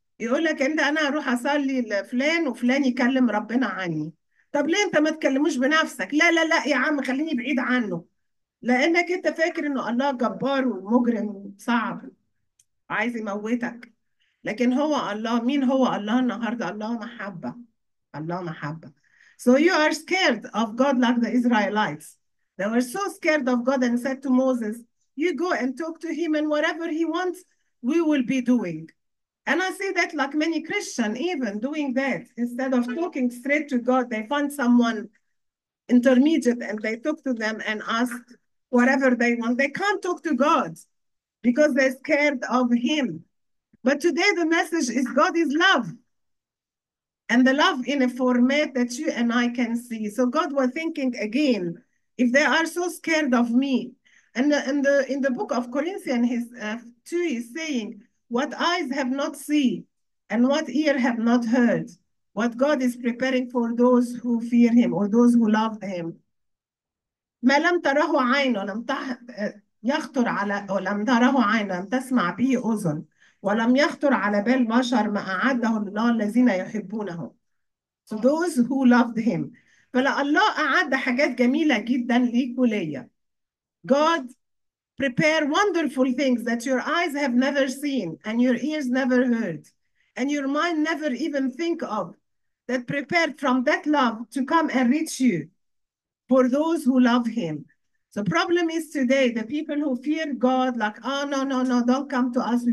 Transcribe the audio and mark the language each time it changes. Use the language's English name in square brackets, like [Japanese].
[Arabic] يقول لك انت, انا اروح اصلي لفلان وفلان يكلم ربنا عني. طب ليه انت ما تكلموش بنفسك؟ لا لا لا يا عم خليني بعيد عنه, لانك انت فاكر انه الله جبار ومجرم صعب عايز يموتك. لكن هو الله, مين هو الله النهارده؟ الله محبة, الله محبة. [English] So you are scared of God like the Israelites. They were so scared of God and said to Moses, you go and talk to him and whatever he wants, we will be doing. And I see that like many Christians even doing that, instead of talking straight to God, they find someone intermediate and they talk to them and ask whatever they want. They can't talk to God because they're scared of him. But today the message is God is love. And the love in a format that you and I can see. So God was thinking again, if they are so scared of me. And in the book of Corinthians his 2 is saying, what eyes have not seen and what ear have not heard, what God is preparing for those who fear him or those who love him. [Arabic] ما لم تره عين ولم يخطر على ولم تره عين ولم تسمع به أذن ولم يخطر على بال بشر ما أعده الله الذين يحبونه. [English] So those who loved him. [Arabic] فالله أعد حاجات جميلة جدا ليك وليا. [English] God prepare wonderful things that your eyes have never seen and your ears never heard and your mind never even think of, that prepared from that love to come and reach you for those who love him. The problem is today, the people who fear God, like, oh, no, no, no, don't come to us.